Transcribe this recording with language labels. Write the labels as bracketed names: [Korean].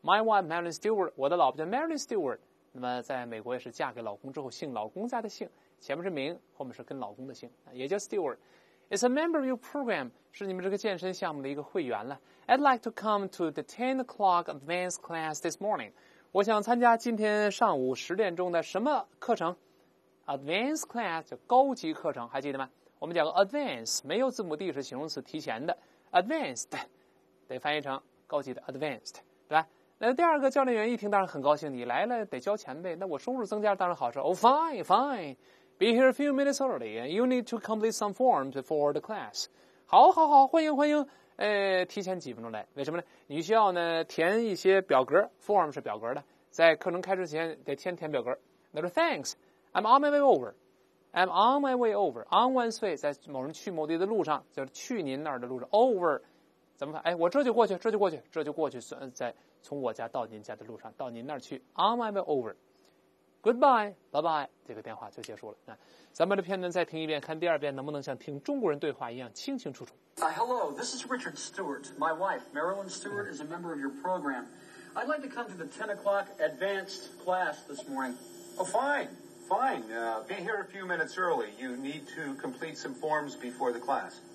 [English] My wife, [Chinese] Marilyn Stewart, 我的老婆叫 Marilyn Stewart, 那么在美国也是嫁给老公之后姓老公家的姓，前面是名，后面是跟老公的姓，也叫 Stewart. [English] It's a member of your program, [Chinese] 是你们这个健身项目的一个会员了。 [English] I'd like to come to the 10 o'clock advanced class this morning. [Chinese] 我想参加今天上午十点钟的什么课程？ Advanced class, 叫高级课程，还记得吗？我们讲个 advanced, 没有字母 D 是形容词提前的。 Advanced, 得翻译成高级的 advanced, 对吧？那第二个教练员一听当然很高兴，你来了得交钱呗，那我收入增加当然好事。 [English] Oh, fine, fine. Be here a few minutes early. You need to complete some forms before the class. [Chinese] 好好好，欢迎欢迎，提前几分钟来。为什么呢？你需要呢填一些表格， form 是表格的，在课程开始前得先填表格。那说 [English] thanks, I'm on my way over. [Chinese] On one's way, 在某人去某地的路上，就是去您那儿的路上。 Over, 怎么看？哎，我这就过去，在从我家到您家的路上，到您那儿去。 [English] On my way over. Goodbye, bye bye. [Chinese] 这个电话就结束了。那咱们的片段再听一遍，看第二遍能不能像听中国人对话一样清清楚楚。 [English] Hello, this is Richard Stewart. My wife, Marilyn Stewart, is a member of your program. I'd like to come to the 10 o'clock advanced class this morning. Oh, fine, fine. Be here a few minutes early. You need to complete some forms before the class.